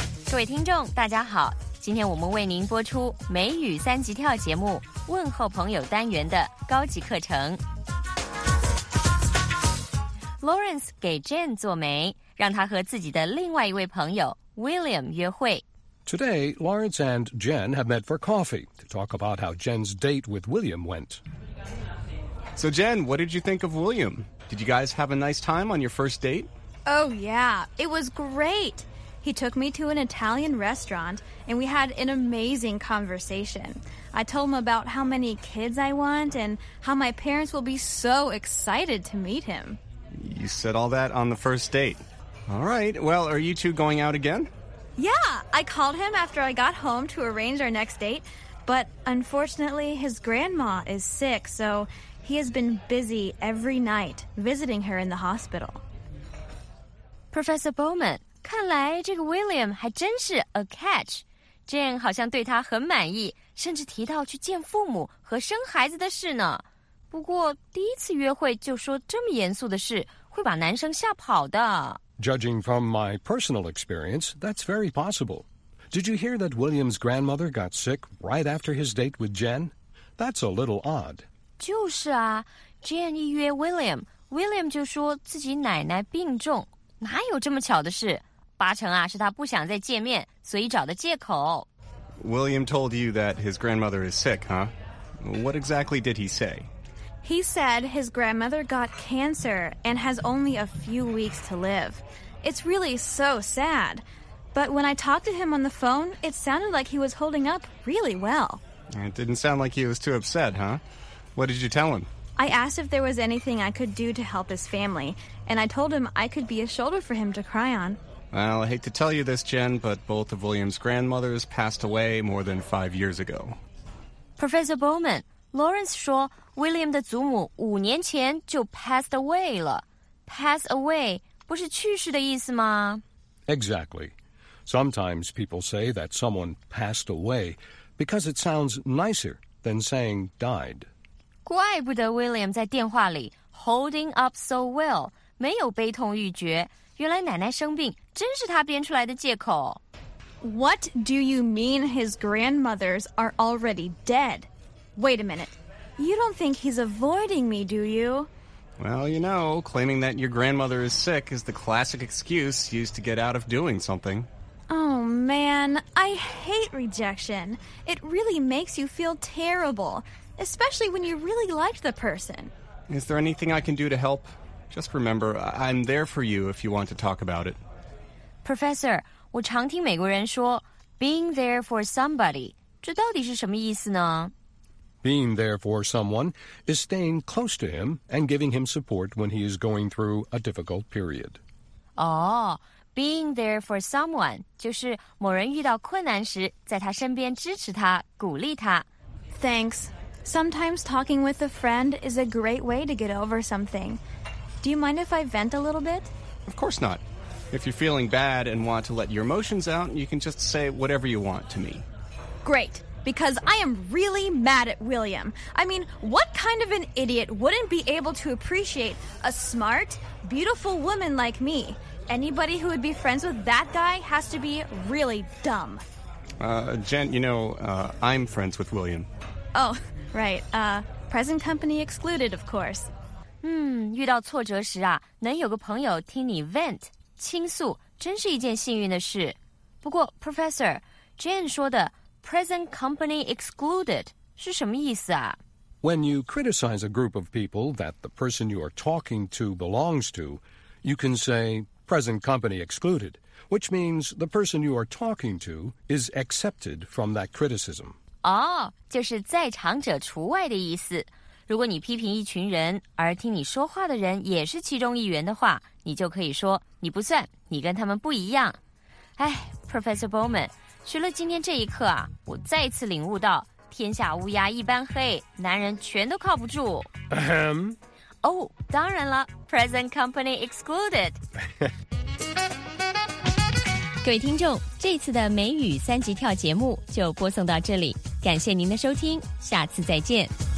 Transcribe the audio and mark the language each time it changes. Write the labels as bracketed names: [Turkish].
[Chinese] 各位听众大家好，今天我们为您播出美语三级跳节目问候朋友单元的高级课程。 Lawrence 给 Jen 做媒，让他和自己的另外一位朋友 William 约会。 [English] Today, Lawrence and Jen have met for coffee to talk about how Jen's date with William went. So Jen, what did you think of William? Did you guys have a nice time on your first date? Oh yeah, it was great. He took me to an Italian restaurant and we had an amazing conversation. I told him about how many kids I want and how my parents will be so excited to meet him. You said all that on the first date. All right, well, are you two going out again? Yeah, I called him after I got home to arrange our next date, but unfortunately his grandma is sick, so he has been busy every night visiting her in the hospital. [Chinese] Professor Bowman, 看来这个 William 还真是 [English] a catch. [Chinese] Jane 好像对他很满意，甚至提到去见父母和生孩子的事呢。不过第一次约会就说这么严肃的事，会把男生吓跑的。 [English] Judging from my personal experience, that's very possible. Did you hear that William's grandmother got sick right after his date with Jen? That's a little odd. [Chinese] 就是啊， Jen 一约 William, William 就说自己奶奶病重，哪有这么巧的事？八成啊，是他不想再见面，所以找的借口。 [English] William told you that his grandmother is sick, huh? What exactly did he say? He said his grandmother got cancer and has only a few weeks to live. It's really so sad. But when I talked to him on the phone, it sounded like he was holding up really well. It didn't sound like he was too upset, huh? What did you tell him? I asked if there was anything I could do to help his family, and I told him I could be a shoulder for him to cry on. Well, I hate to tell you this, Jen, but both of William's grandmothers passed away more than 5 years ago. [Chinese] Professor Bowman, Lawrence 说 William 的祖母五年前就 [English] passed away [Chinese] 了。 [English] Pass away [Chinese] 不是去世的意思吗？ [English] Exactly. Sometimes people say that someone passed away because it sounds nicer than saying died. [Chinese] 怪不得 William 在电话里 [English] holding up so well, [Chinese] 没有悲痛欲绝。原来奶奶生病真是他编出来的借口。 [English] What do you mean his grandmothers are already dead? Wait a minute. You don't think he's avoiding me, do you? Well, you know, claiming that your grandmother is sick is the classic excuse used to get out of doing something. Oh, man. I hate rejection. It really makes you feel terrible, especially when you really liked the person. Is there anything I can do to help? Just remember, I'm there for you if you want to talk about it. [Chinese] Professor, 我常听美国人说 [English] being there for somebody, [Chinese] 这到底是什么意思呢？ [English] Being there for someone is staying close to him and giving him support when he is going through a difficult period. [Chinese] Oh, [English] being there for someone [Chinese] 就是某人遇到困难时在他身边支持他，鼓励他。 [English] Thanks. Sometimes talking with a friend is a great way to get over something. Do you mind if I vent a little bit? Of course not. If you're feeling bad and want to let your emotions out, you can just say whatever you want to me. Great, because I am really mad at William. I mean, what kind of an idiot wouldn't be able to appreciate a smart, beautiful woman like me? Anybody who would be friends with that guy has to be really dumb. Jen, you know, I'm friends with William. Oh, right. Present company excluded, of course. [Chinese] 遇到挫折时啊，能有个朋友听你 vent 倾诉，真是一件幸运的事。不过 Professor Jane 说的 [English] present company excluded [Chinese] 是什么意思啊？ [English] When you criticize a group of people that the person you are talking to belongs to, you can say present company excluded, which means the person you are talking to is excepted from that criticism. [Chinese] 哦，就是在场者除外的意思。如果你批评一群人，而听你说话的人也是其中一员的话，你就可以说你不算，你跟他们不一样。哎 ，Professor Bowman， 学了今天这一课啊，我再一次领悟到，天下乌鸦一般黑，男人全都靠不住。 Ahem. [English] Oh， [Chinese] 当然了 [English] ，present company excluded 。 [Chinese] 各位听众，这次的美语三级跳节目就播送到这里，感谢您的收听，下次再见。